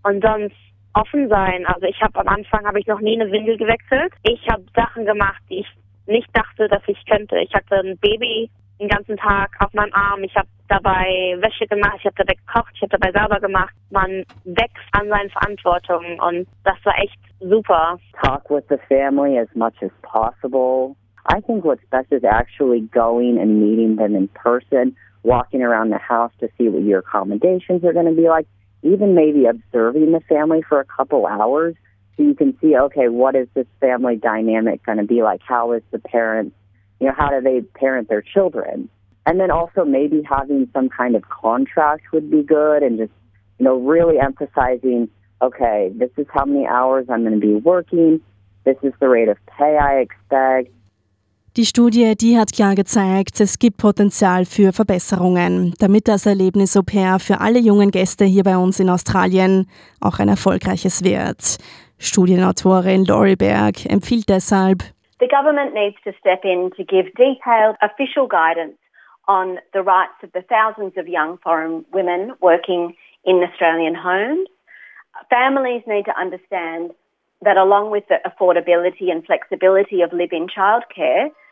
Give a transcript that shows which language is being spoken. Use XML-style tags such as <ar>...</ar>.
<de>Und sonst offen sein. Also ich habe am Anfang habe ich noch nie eine Windel gewechselt. Ich habe Sachen gemacht, die ich nicht dachte, dass ich könnte. Ich hatte ein Baby den ganzen Tag auf meinem Arm. Ich habe dabei Wäsche gemacht, ich habe dabei gekocht, ich habe dabei sauber gemacht. Man wächst an seinen Verantwortungen und das war echt super.</de> <en>Talk with the family as much as possible. I think what's best is actually going and meeting them in person, walking around the house to see what your accommodations are going to be like, even maybe observing the family for a couple hours so you can see, okay, what is this family dynamic going to be like? How is the parents, you know, how do they parent their children? And then also maybe having some kind of contract would be good and just, you know, really emphasizing, okay, this is how many hours I'm going to be working. This is the rate of pay I expect.</en> <de>Die Studie, die hat klar gezeigt, es gibt Potenzial für Verbesserungen, damit das Erlebnis Au-pair für alle jungen Gäste hier bei uns in Australien auch ein erfolgreiches wird. Studienautorin Laurie Berg empfiehlt deshalb,</de> <en>the government needs to step in to give detailed official guidance on the rights of the thousands of young foreign women working in Australian homes. Families need to understand that along with the affordability and flexibility of live-in childcare,</en>